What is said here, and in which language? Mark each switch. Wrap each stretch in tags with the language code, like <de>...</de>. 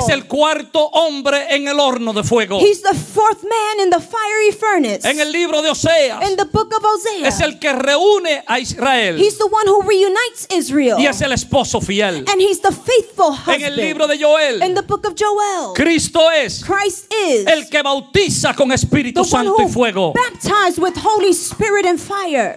<es>Es el cuarto hombre en el horno de fuego.</es> <en>He's the fourth man in the fiery furnace.</en> <es>En el libro de Oseas.</es> <en>In the book of Hosea.</en> <es>Es el que reúne a Israel.</es> <en>He's the one who reunites Israel.</en> <es>Y es el esposo fiel.</es> <en>And he's the faithful.</en> <es>En el libro de Joel.</es> <en>In the book of Joel.</en> <es>Cristo es.</es> <en>Christ is.</en> <es>El que bautiza con Espíritu Santo y fuego.</es> <en>The one who baptized with Holy Spirit and fire.</en>